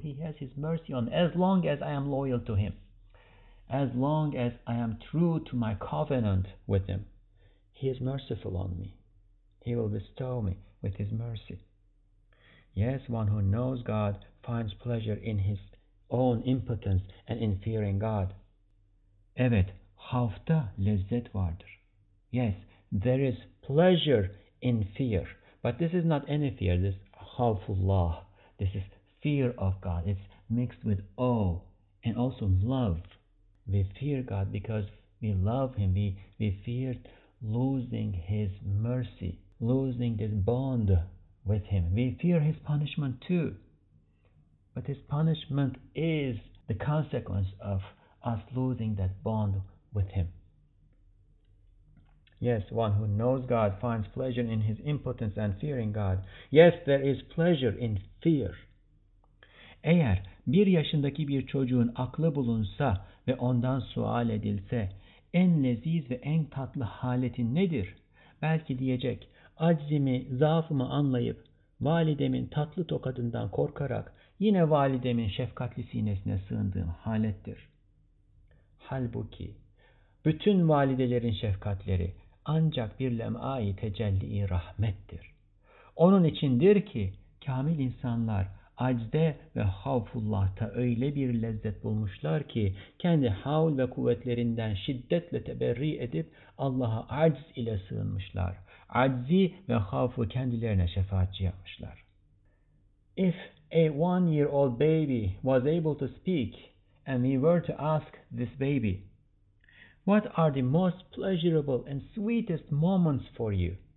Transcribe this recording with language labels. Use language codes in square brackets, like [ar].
[en] He has his mercy on as long as I am loyal to him, as long as I am true to my covenant with him. He is merciful on me. He will bestow me with his mercy. Yes, one who knows God finds pleasure in his own impotence and in fearing God. [tr] Evet, hafta lezzet vardır. [en] Yes, there is pleasure in fear. But this is not any fear, this hafullah. This is fear of God. It's mixed with awe and also love. We fear God because We love Him. We feared losing His mercy, losing this bond with Him. We fear His punishment too. But His punishment is the consequence of us losing that bond with Him. Yes, one who knows God finds pleasure in his impotence and fearing God. Yes, there is pleasure in fear. [tr] Eğer bir yaşındaki bir çocuğun aklı bulunsa ve ondan sual edilse, en leziz ve en tatlı haletin nedir? Belki diyecek, aczimi, zaafımı anlayıp, validemin tatlı tokadından korkarak, yine validemin şefkatli sinesine sığındığım halettir. Halbuki, bütün validelerin şefkatleri ancak bir lem'ai tecelli-i rahmettir. Onun içindir ki, kamil insanlar, acde ve havfullah'ta öyle bir lezzet bulmuşlar ki, kendi havl ve kuvvetlerinden şiddetle teberri edip, Allah'a acz ile sığınmışlar. Aczi ve havfu kendilerine şefaatçi yapmışlar. [en] If a one-year-old baby was able to speak, and we were to ask this baby, what are the most pleasurable and sweetest moments for you?